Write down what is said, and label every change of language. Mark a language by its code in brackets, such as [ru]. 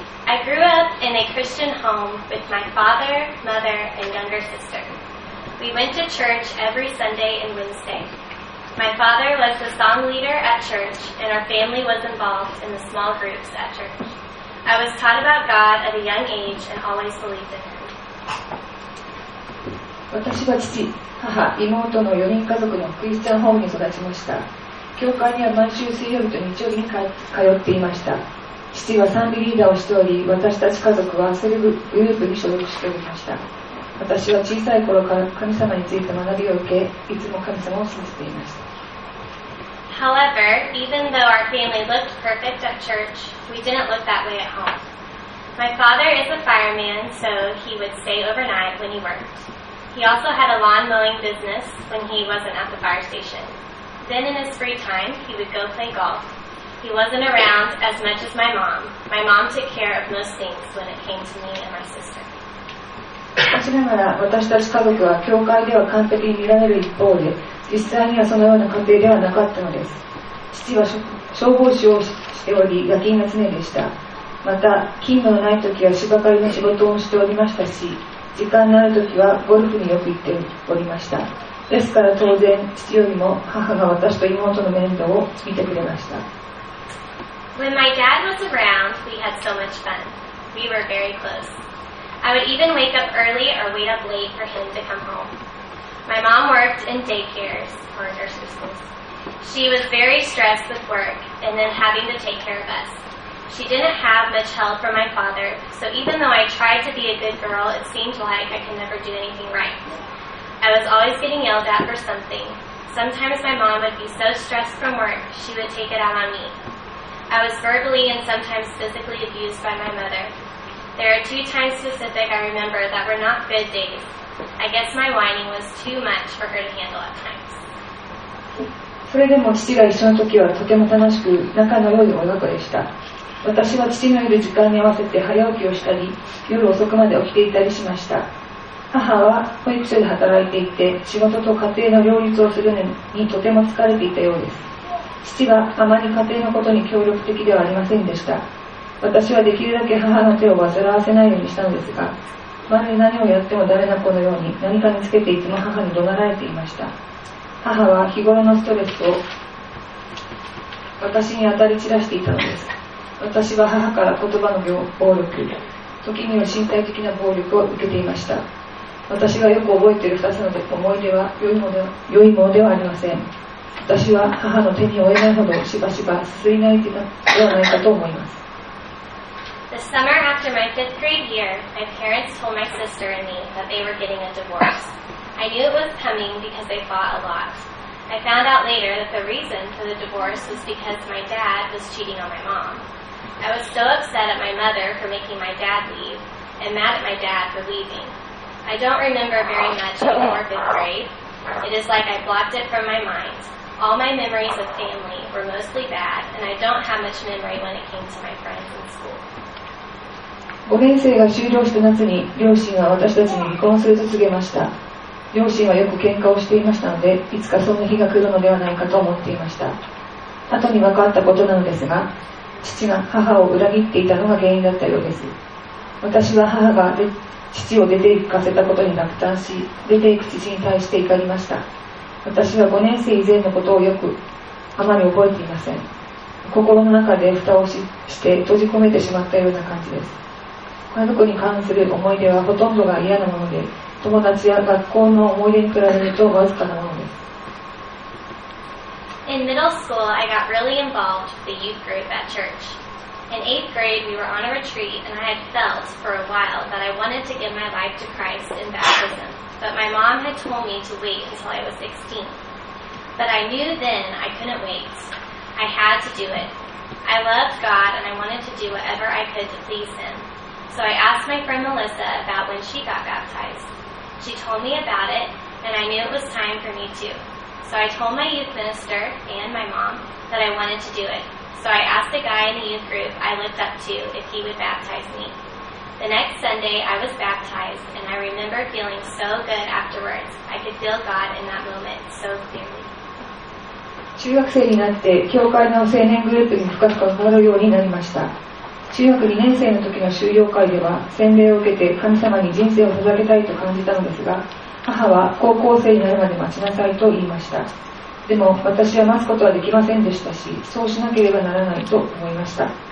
[en] I grew up in a Christian home with my father, mother, and younger sister. We went to church every Sunday and Wednesday. My father was the song leader at church, and our family was involved in the small groups at church. I was taught about God at a young age and always believed in Him. [ja] 私は父、母、妹の4人家族のクリスチャンホームに育ちました。教会には毎週水曜日と日曜日に通っていました。父は賛美リーダーをしており、私たち家族はセレブグループに所属しておりました。私は小さい頃から神様について学びを受け、いつも神様を信じていました。 [en] However, even though our family looked perfect at church, we didn't look that way at home. My father is a fireman, so he would stay overnight when he worked. He also had a lawn mowing business when he wasn't at the fire station. Then in his free time, he would go play golf. He wasn't around as much as my mom. My mom took care of most things when it came to me and my sister. [ja] しながら私たち家族は教会では完璧に見られる一方で、実際にはそのような家庭ではなかったのです。父は消防士をしており、夜勤が常でした。また、勤務のない時は芝刈りの仕事をしておりましたし、時間のある時はゴルフによく行っておりました。ですから当然、父よりも母が私と妹の面倒を見てくれました。 [en] When my dad was around, we had so much fun. We were very close. I would even wake up early or wait up late for him to come home. My mom worked in daycares or nursery schools. She was very stressed with work and then having to take care of us. She didn't have much help from my father, so even though I tried to be a good girl, it seemed like I could never do anything right. I was always getting yelled at for something. Sometimes my mom would be so stressed from work, she would take it out on me. I was verbally and sometimes physically abused by my mother. There are two times specific I remember that were not good days. I guess my whining was too much for her to handle at times. [ja] それでも父が一緒の時はとても楽しく仲の良い親子でした。私は父のいる時間に合わせて早起きをしたり、夜遅くまで起きていたりしました。母は保育所で働いていて、仕事と家庭の両立をするのにとても疲れていたようです。父はあまり家庭のことに協力的ではありませんでした。私はできるだけ母の手を煩わせないようにしたのですが、まるで何をやってもダメな子のように何かにつけていつも母に怒鳴られていました。母は日頃のストレスを私に当たり散らしていたのです。私は母から言葉の暴力、時には身体的な暴力を受けていました。私がよく覚えている2つの思い出は良いものではありません。私は母の手に負えないほどしばしばすすり泣いていたのではないかと思います。 [en] The summer after my fifth grade year, my parents told my sister and me that they were getting a divorce. I knew it was coming because they fought a lot. I found out later that the reason for the divorce was because my dad was cheating on my mom. I was so upset at my mother for making my dad leave, and mad at my dad for leaving. I don't remember very much before fifth grade. It is like I blocked it from my mind. All my memories of family were mostly bad, and I don't have much memory when it came to my friends in school. [ja] 5年生が終了した夏に、両親は私たちに離婚すると告げました。両親はよく喧嘩をしていましたので、いつかその日が来るのではないかと思っていました。後に分かったことなのですが、父が母を裏切っていたのが原因だったようです。私は母が父を出て行かせたことに落胆し、出て行く父に対して怒りました。私は5年生以前のことをよくあまり覚えていません。心の中で蓋を して閉じ込めてしまったような感じです。家族に関する思い出はほとんどが嫌なもので、友達や学校の思い出に比べるとわずかなものです。 [en] In middle school, I got really involved with the youth group at church. In eighth grade, we were on a retreat, and I had felt for a while that I wanted to give my life to Christ in baptism, but my mom had told me to wait until I was 16. But I knew then I couldn't wait. I had to do it. I loved God, and I wanted to do whatever I could to please Him. So I asked my friend Melissa about when she got baptized. She told me about it, and I knew it was time for me too. So I told my youth minister and my mom that I wanted to do it. So I asked a guy in the youth group I looked up to if he would baptize me. The next Sunday, I was baptized, and I remember feeling so good afterwards. I could feel God in that moment so clearly. [ja] 中学生になって、教会の青年グループに深く関わるようになりました。中学2年生の時の修了会では、洗礼を受けて神様に人生を捧げたいと感じたのですが、母は高校生になるまで待ちなさいと言いました。でも私は待つことはできませんでしたし、そうしなければならないと思いました。